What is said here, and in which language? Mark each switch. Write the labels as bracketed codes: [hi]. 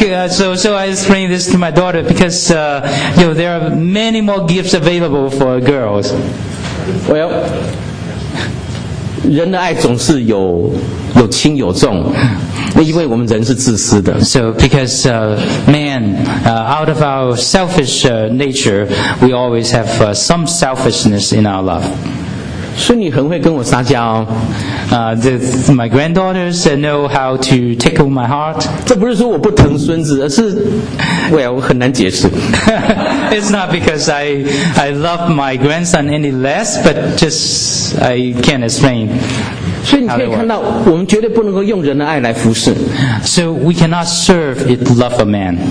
[en] So I explain this to my daughter because you know, there are many more gifts available for girls. [zh] Well, 人的爱总是有轻有重，因为我们人是自私的。 [en] So because man, out of our selfish nature, we always have some selfishness in our love. [zh] 孙女很会跟我撒娇、 [en] 哦 my granddaughters know how to tickle my heart. [zh] 这不是说我不疼孙子，而是 well, 很难解释。 [en] It's not because I love my grandson any less, but just I can't explain. [zh] 所以你可以看到，我们绝对不能够用人的爱来服侍。 [en] So we cannot serve with love of man.